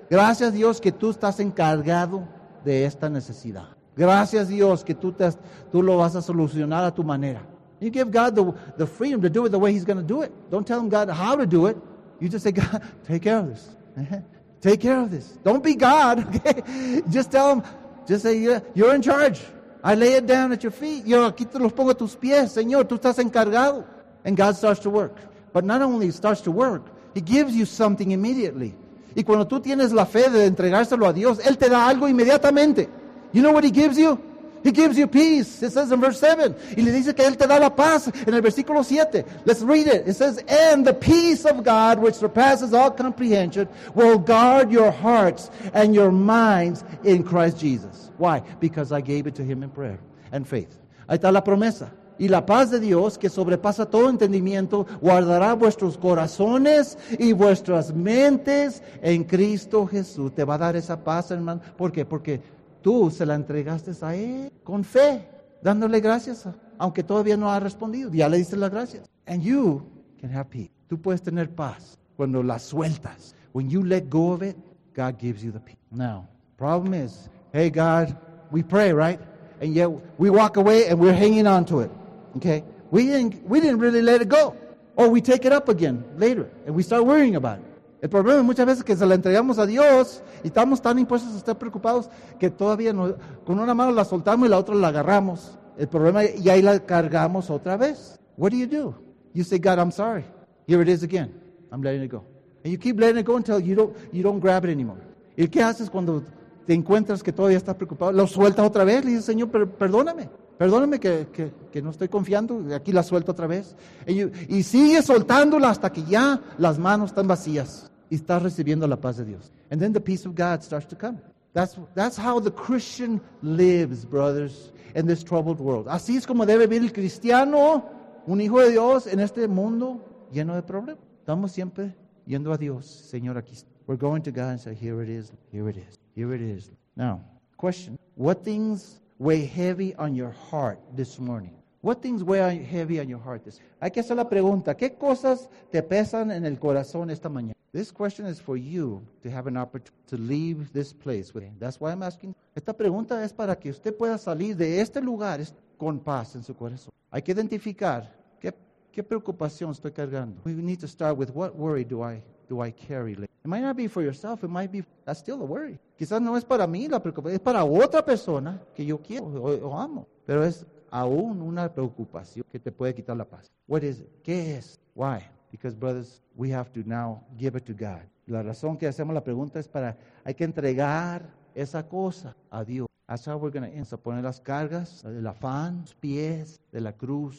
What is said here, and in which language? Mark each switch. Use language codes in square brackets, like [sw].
[es] Gracias, Dios, que tú estás encargado de esta necesidad. Gracias Dios que tú lo vas a solucionar a tu manera. [en] You give God the freedom to do it the way He's going to do it. Don't tell Him, God, how to do it. You just say, God, take care of this. Take care of this. Don't be God, okay? Just tell Him, just say, yeah, you're in charge. I lay it down at your feet. [es] Yo aquí te los pongo a tus pies, Señor. Tú estás encargado. [en] And God starts to work. But not only starts to work, He gives you something immediately. [es] Y cuando tú tienes la fe de entregárselo a Dios, Él te da algo inmediatamente. [en] You know what He gives you? He gives you peace. It says in verse 7. [es] Y le dice que Él te da la paz en el versículo 7. [en] Let's read it. It says, and the peace of God, which surpasses all comprehension, will guard your hearts and your minds in Christ Jesus. Why? Because I gave it to Him in prayer and faith. [es] Ahí está la promesa. Y la paz de Dios, que sobrepasa todo entendimiento, guardará vuestros corazones y vuestras mentes en Cristo Jesús. Te va a dar esa paz, hermano. ¿Por qué? Porque tú se la entregaste a Él con fe, dándole gracias, aunque todavía no ha respondido. Ya le diste las gracias. [en] And you can have peace. [es] Tú puedes tener paz cuando la sueltas. [en] When you let go of it, God gives you the peace. Now, problem is, hey God, we pray, right? and yet we walk away and we're hanging on to it. Okay? We didn't really let it go. Or we take it up again later and we start worrying about it. [es] El problema es muchas veces que se la entregamos a Dios y estamos tan impuestos a estar preocupados que todavía no, con una mano la soltamos y la otra la agarramos. El problema y ahí la cargamos otra vez. [en] What do? You say, God, I'm sorry. Here it is again. I'm letting it go. And you keep letting it go until you don't grab it anymore. [es] ¿Y qué haces cuando te encuentras que todavía estás preocupado? Lo sueltas otra vez. Le dices, Señor, perdóname. Perdóname que no estoy confiando. Aquí la suelto otra vez. Y sigue soltándola hasta que ya las manos están vacías. Y estás recibiendo la paz de Dios. [en] And then the peace of God starts to come. That's how the Christian lives, brothers, in this troubled world. [es] Así es como debe vivir el cristiano, un hijo de Dios, en este mundo lleno de problemas. Estamos siempre yendo a Dios. Señor, aquí está. [en] We're going to God and say, here it is, here it is, here it is. Now, question. What things weigh heavy on your heart this morning? What things weigh heavy on your heart this morning? [es] Hay que hacer la pregunta. ¿Qué cosas te pesan en el corazón esta mañana? [en] This question is for you to have an opportunity to leave this place. That's why I'm asking. [es] Esta pregunta es para que usted pueda salir de este lugar con paz en su corazón. Hay que identificar. ¿Qué preocupación estoy cargando? [en] We need to start with what worry do I carry. It might not be for yourself. It might be, that's still a worry. [es] Quizás no es para mí la preocupación. Es para otra persona que yo quiero o amo. Pero es aún una preocupación que te puede quitar la paz. [en] What is it? [es] ¿Qué es? [en] Why? Because, brothers, we have to now give it to God. [es] La razón que hacemos la pregunta es para, hay que entregar esa cosa a Dios. [en] That's how we're going to end. [es] So poner las cargas, el afán, los pies de la cruz.